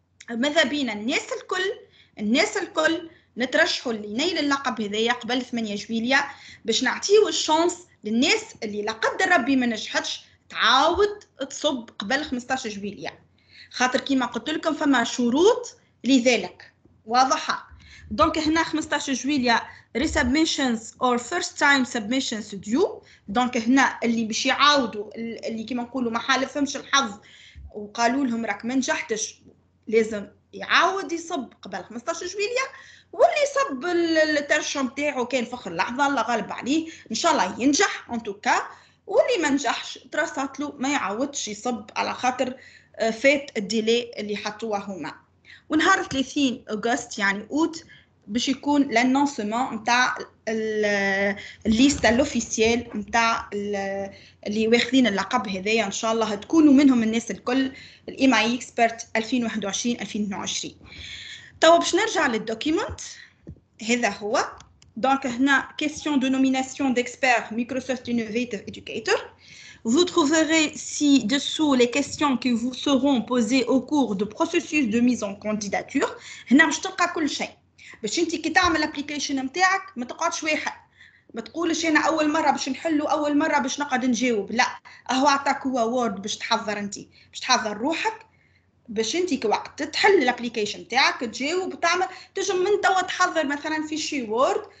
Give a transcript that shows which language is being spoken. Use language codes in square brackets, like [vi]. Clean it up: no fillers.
[ar] ماذا بينا الناس الكل نترشحوا لنيل اللقب هذايا قبل 8 جويلية باش نعطيه الشانس للناس اللي لا قدر ربي ما نجحتش تعاود تصب قبل 15 جويلية. خاطر كيما قلت لكم فما شروط لذلك واضحة. دونك هنا 15 جويلية [en] resubmissions or first time submissions due. [ar] دونك هنا اللي باش يعاودوا اللي كيما نقولوا ما حالفهمش الحظ وقالوا لهم راك ما نجحتش لازم يعاود يصب قبل 15 جويليه واللي صب الترشح نتاعو كان في اخر لحظه الله غالب عليه ان شاء الله ينجح ان توكا، واللي ما نجحش تراسات له ما يعاودش يصب على خاطر فات الديلي اللي حطوه هما. ونهار 30 اغسطس يعني اوت باش يكون لانونسمون نتاع الليست الاوفيسيال نتاع اللي واخذين اللقب هذايا ان شاء الله تكونوا منهم الناس الكل الام اي اكسبيرت 2021 2022. توا باش نرجع للدوكيمنت هذا هو دونك هنا كيسيون دو نوميناسيون ديكسبير مايكروسوفت انوفيتيف ادوكيتور. [fr] Vous trouverez ci-dessous les questions qui vous seront posées au cours du processus de mise en candidature. [ar] هنا باش تلقى كل شيء. باش انت كي تعمل الابليكيشن نتاعك ما تقعدش واحد. ما تقولش انا اول مره باش نحلو اول مره باش نقعد نجاوب. لا، اهو عطاك هو وورد باش تحضر انت، باش تحضر روحك باش انت كوقت تحل الابليكيشن نتاعك تجاوب تعمل تجم من توا تحضر مثلا في شي وورد.